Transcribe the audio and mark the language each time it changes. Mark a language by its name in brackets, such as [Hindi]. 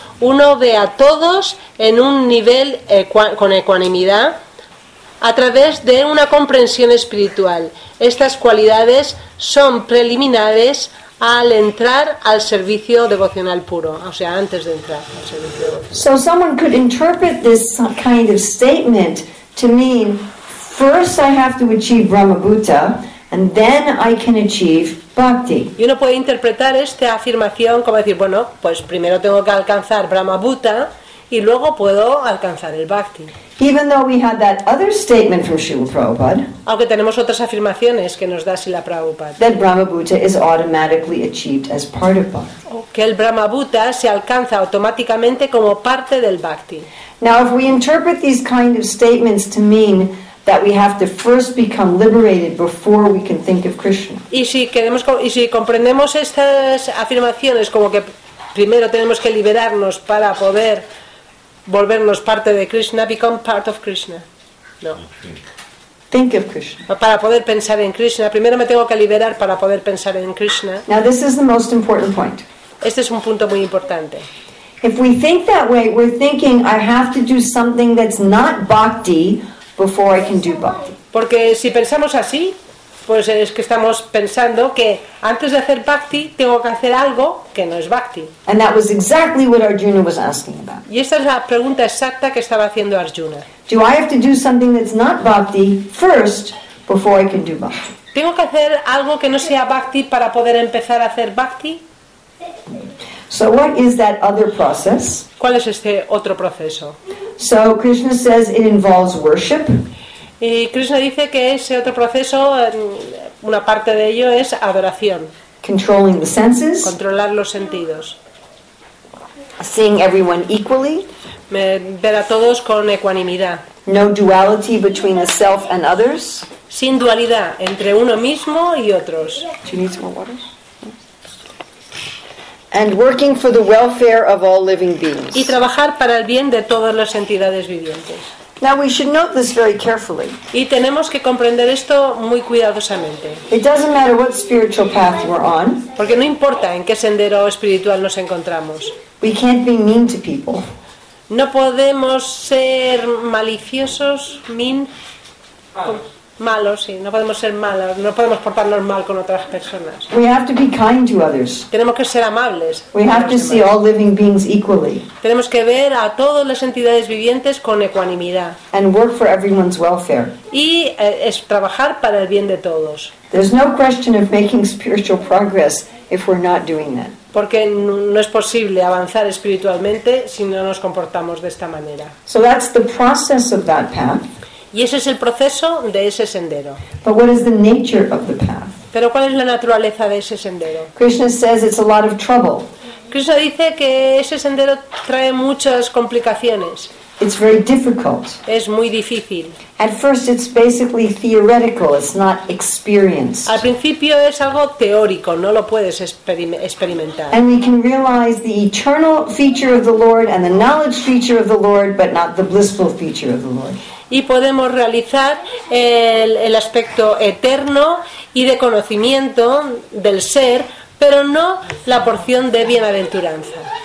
[Spanish] Uno ve a todos en un nivel con ecuanimidad a través de una comprensión espiritual. Estas cualidades son preliminares al entrar al servicio devocional puro, o sea, antes de entrar al servicio devocional. [English] So someone could interpret this kind of statement to mean, first I have to achieve Brahmabhuta, and then I can achieve bhakti. [Spanish] Y uno puede interpretar esta afirmación como decir, bueno, pues primero tengo que alcanzar Brahmabhuta, y luego puedo alcanzar el bhakti. [English] Even though we had that other statement from Srila Prabhupada, [Spanish] aunque tenemos otras afirmaciones que nos da Srila Prabhupada, [English] that Brahmabhuta is automatically achieved as part of bhakti. [Spanish] Que el Brahmabhuta se alcanza automáticamente como parte del bhakti. [English] Now, if we interpret these kind of statements to mean that we have to first become liberated before we can think of Krishna, [Spanish] y si comprendemos estas afirmaciones como que primero tenemos que liberarnos para poder volvernos parte de Krishna, [English] become part of Krishna. No. Think of Krishna. [Spanish] Para poder pensar en Krishna. Primero me tengo que liberar para poder pensar en Krishna. [English] Now this is the most important point. [Spanish] Este es un punto muy importante. [English] If we think that way, we're thinking I have to do something that's not bhakti before I can do bhakti. [Spanish] Porque si pensamos así, pues es que estamos pensando que antes de hacer bhakti tengo que hacer algo que no es bhakti. [English] And that was exactly what Arjuna was asking about. [Spanish] Y esta es la pregunta exacta que estaba haciendo Arjuna. [English] Do I have to do something that's not bhakti first before I can do bhakti? [Spanish] ¿Tengo que hacer algo que no sea bhakti para poder empezar a hacer bhakti? [English] So what is that other process? [Spanish] ¿Cuál es este otro proceso? [English] So Krishna says it involves worship. [Spanish] Y Krishna dice que ese otro proceso, una parte de ello es adoración. [English] Controlling the senses. [Spanish] Controlar los sentidos. [English] Seeing everyone equally. [Spanish] Ver a todos con ecuanimidad. [English] No duality between a self and others. [Spanish] Sin dualidad entre uno mismo y otros. [English] Do you need some more water? And working for the welfare of all living beings. [Spanish] Y trabajar para el bien de todas las entidades vivientes. [English] Now we should note this very carefully. [Spanish] Y tenemos que comprender esto muy cuidadosamente. [English] It doesn't matter what spiritual path we're on. [Spanish] Porque no importa en qué sendero espiritual nos encontramos. [English] We can't be mean to people. [Spanish] No podemos ser maliciosos, mean, malos, sí, no podemos ser malos, no podemos portarnos mal con otras personas. [English] We have to be kind to others. [Spanish] Tenemos que ser amables. [English] We have to see all living beings equally. [Spanish] Tenemos que ver a todas las entidades vivientes con ecuanimidad. [English] And work for everyone's welfare. [Spanish] Y es trabajar para el bien de todos. [English] There's no question of making spiritual progress if we're not doing that. [Spanish] Porque no es posible avanzar espiritualmente si no nos comportamos de esta manera. [English] So that's the process of that path. [Spanish] Y ese es el proceso de ese sendero. [English] But what is the nature of the path? [Spanish] Pero ¿cuál es la naturaleza de ese sendero? [English] Krishna says it's a lot of trouble. [Spanish] Krishna dice que ese sendero trae muchas complicaciones. [English] It's very difficult. [Spanish] Es muy difícil. [English] At first it's basically theoretical, it's not experienced. [Spanish] Al principio es algo teórico, no lo puedes experimentar. [English] And we can realize the eternal feature of the Lord and the knowledge feature of the Lord, but not the blissful feature of the Lord. [Spanish] Y podemos realizar el aspecto eterno y de conocimiento del ser, pero no la porción de bienaventuranza.